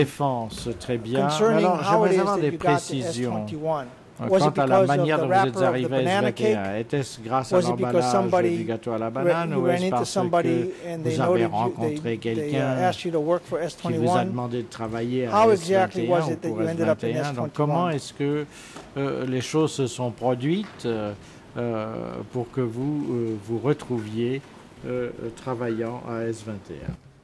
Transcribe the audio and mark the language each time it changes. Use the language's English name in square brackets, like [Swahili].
[French] Défense, très bien. Mais alors, j'aimerais avoir des précisions [English] Was it because of the wrapper of the banana cake? Was it because somebody ran into somebody and they noted you, they asked you to work for S21? How exactly was it that you ended up in S21? [French] Comment est-ce que les choses se sont produites pour que vous vous retrouviez travaillant à S21?